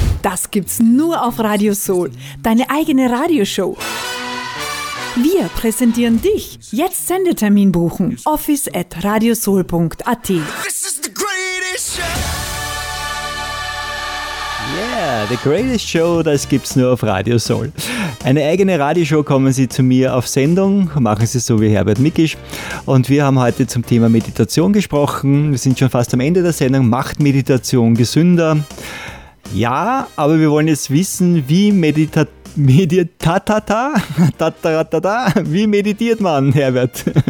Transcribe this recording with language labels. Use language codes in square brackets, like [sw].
[de] Das gibt's nur auf Radio Soul. Deine eigene Radioshow. Wir präsentieren dich. Jetzt Sendetermin buchen. office@radiosoul.at. [en] This is the greatest show. Yeah, the greatest show, [de] das gibt's nur auf Radio Soul. Eine eigene Radioshow, kommen Sie zu mir auf Sendung, machen Sie so wie Herbert Mickisch. Und wir haben heute zum Thema Meditation gesprochen. Wir sind schon fast am Ende der Sendung. Macht Meditation gesünder? Ja, aber wir wollen jetzt wissen, wie meditiert man, Herbert?